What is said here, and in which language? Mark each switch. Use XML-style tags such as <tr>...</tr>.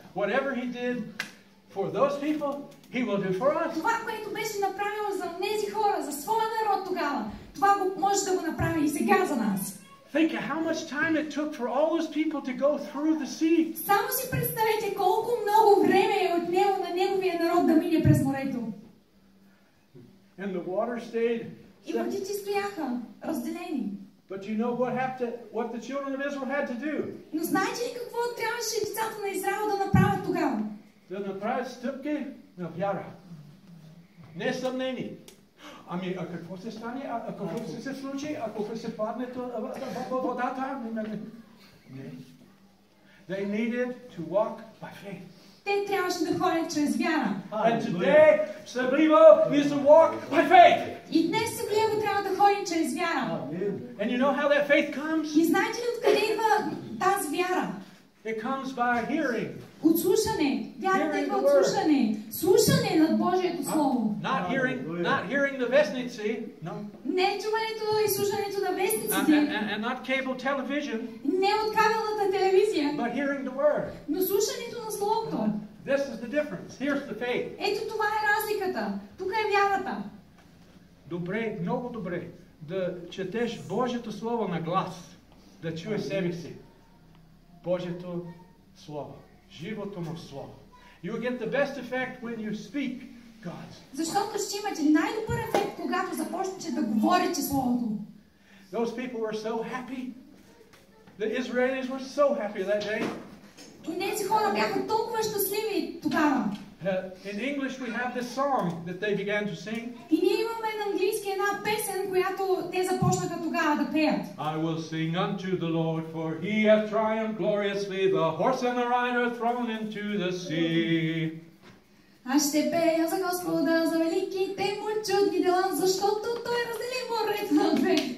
<en>Whatever He did for those people, He will do for us.</en> <bg>Това, което беше направило за тези хора, за своя народ тогава, това може да го направи и сега за нас.</bg> <en>Think of how much time it took for all those people to go through the sea.</en> <bg>Само си представете колко много време е отнело на неговия народ да мине през морето.</bg> <en>And the water stayed.</en> <bg>И водите стояха разделени.</bg> <en>But you know what the children of Israel had to do?</en> <bg>Но знаете ли какво трябваше децата на Израел да направят тогава? Да направят стъпки на вяра. Не съмнени. Ами, а какво се стане? А какво се случи? Ако се падне водата?</bg> <en>They needed to walk by faith.</en> <bg>Те трябваше да ходят чрез вяра.</bg> <en>And today, Sevlievo needs to walk by faith.</en> <bg>И днес Sevlievo трябва да ходим чрез вяра.</bg> <en>And you know how that faith comes?</en> <bg>И знаете ли откъде идва тази вяра?</bg> <en>It comes by hearing.</en> <bg>От слушане. Вярата идва от слушане. Слушане на Божието Слово.</bg> <en>Not hearing the</en> <bg>вестници.</bg> <en>No.</en> <bg>Не чуването и слушането на вестниците.</bg> <en>And not cable television.</en> <bg>Не от кабелната телевизия.</bg> <en>But hearing the word.</en> <bg>Но слушането на Словото.</bg> <en>This is the difference. Here's the faith.</en> <bg>Ето това е разликата. Тук е вярата. Добре, много добре. Да четеш Божието Слово на глас. Да чуеш себе си. Божието Слово. Живото му Слово.</bg> <en>You will get the best effect when you speak God's word.</en> <bg>Защото ще имате най-добър ефект, когато започнете да говорите Словото.</bg> <en>Those people were so happy. The Israelis were so happy that day.</en> <bg>Тези хора бяха толкова щастливи тогава.</bg> <en>In English we have this song that they began to sing.</en> <bg>И ние имаме на английски една песен, която те започнаха тогава да пеят.</bg> <en>I will sing unto the Lord, for He hath triumphed gloriously, the horse and the rider thrown into the sea.</en> <bg>Аз ще пея за Господа, за великите му чудни дела, защото Той раздели морето на две.</bg>